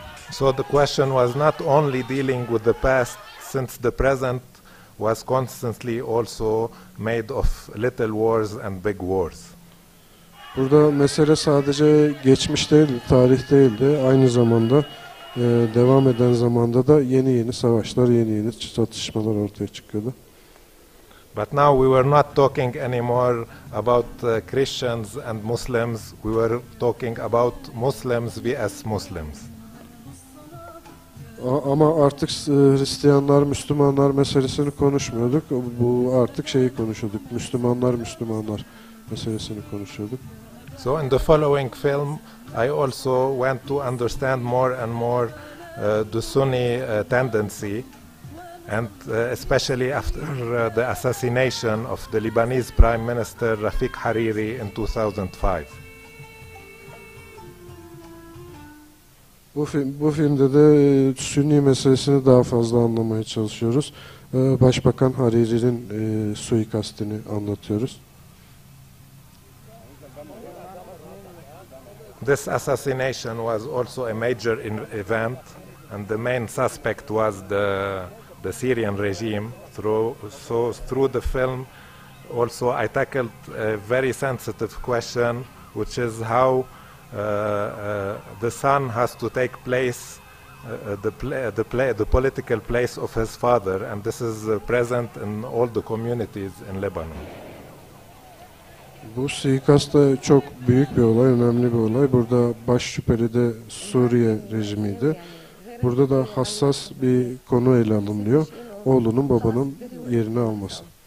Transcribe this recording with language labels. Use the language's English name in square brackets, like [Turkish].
[English] So the question was not only dealing with the past since the present was constantly also made of little wars and big wars. [Turkish] Burada mesele sadece geçmiş değil, tarih değildi. Aynı zamanda devam eden zamanda da yeni yeni savaşlar, yeni yeni çatışmalar ortaya çıkıyordu. [English] But now we were not talking anymore about Christians and Muslims. We were talking about Muslims vs Muslims. [Turkish] Ama artık Hristiyanlar, Müslümanlar meselesini konuşmuyorduk. Bu artık şeyi konuşuyorduk. Müslümanlar, Müslümanlar meselesini konuşuyorduk. [English] So in the following film, I also went to understand more and more the Sunni tendency, and especially after the assassination of the Lebanese Prime Minister Rafiq Hariri in 2005. [Turkish] Bu filmde de Sunni meselesini daha fazla anlamaya çalışıyoruz. Başbakan Hariri'nin suikastini anlatıyoruz. [English] This assassination was also a major event, and the main suspect was the Syrian regime. Through the film, also I tackled a very sensitive question, which is how the son has to take place, the political place of his father, and this is present in all the communities in Lebanon. [Turkish] Bu suikast da çok büyük bir olay, önemli bir olay. Burada baş şüpheli de Suriye rejimiydi. Burada da hassas bir konu ele alınıyor. Oğlunun babanın yerini alması.